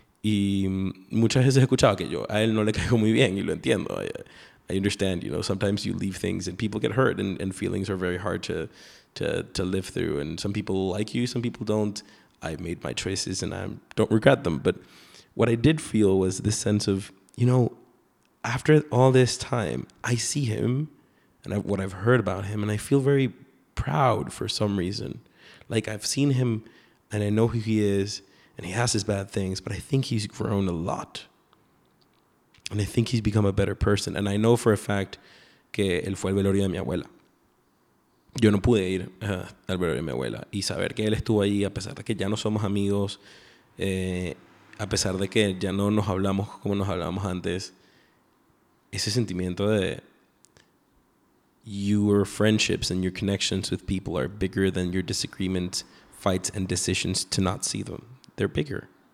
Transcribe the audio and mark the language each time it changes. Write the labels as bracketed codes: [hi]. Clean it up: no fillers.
[es] Y muchas veces he escuchado que yo a él no le caigo muy bien y lo entiendo. [en] I understand, you know, sometimes you leave things and people get hurt and feelings are very hard to live through. And some people like you, some people don't. I've made my choices and I don't regret them. But what I did feel was this sense of, you know, after all this time, I see him and what I've heard about him, and I feel very proud for some reason. Like, I've seen him and I know who he is, and he has his bad things, but I think he's grown a lot. And I think he's become a better person. And I know for a fact [es] que él fue el velorio de mi abuela. Yo no pude ir al velorio de mi abuela. Y saber que él estuvo ahí, a pesar de que ya no somos amigos, a pesar de que ya no nos hablamos como nos hablábamos antes, ese sentimiento de [en] your friendships and your connections with people are bigger than your disagreements, fights, and decisions to not see them. They're bigger.